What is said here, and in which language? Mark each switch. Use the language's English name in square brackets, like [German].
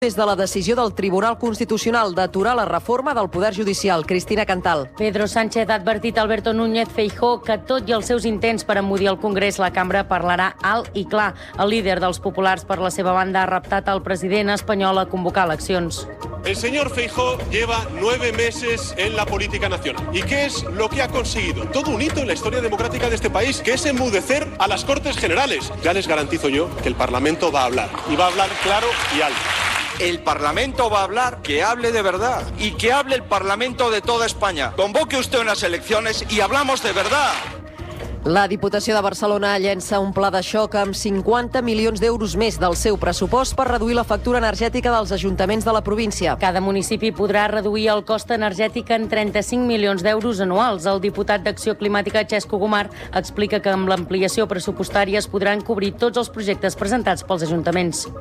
[Catalan] Des de la decisió del Tribunal Constitucional d'aturar la reforma del Poder Judicial. Cristina Cantal. Pedro Sánchez ha advertit Alberto Núñez Feijóo que tot i els seus intents per emmudir el Congrés, la cambra parlarà alt i clar. El líder dels populars, per la seva banda, ha reptat el president espanyol a convocar eleccions. [Spanish] El señor Feijóo lleva 9 meses en la política nacional. ¿Y qué es lo que ha conseguido? Todo un hito en la historia democrática de este país, que es enmudecer a las Cortes Generales. Ya les garantizo yo que el Parlamento va a hablar, y va a hablar claro y alto. El Parlamento va a hablar, que hable de verdad y que hable el Parlamento de toda España. Convoque usted unas elecciones y hablamos de verdad. [Catalan] La Diputació de Barcelona llença un pla de xoc amb 50 milions d'euros més del seu pressupost per reduir la factura energètica dels ajuntaments de la província. Cada municipi podrà reduir el cost energètic en 35 milions d'euros anuals. El diputat d'Acció Climàtica, Xesco Gomar, explica que amb l'ampliació pressupostària es podran cobrir tots els projectes presentats pels ajuntaments.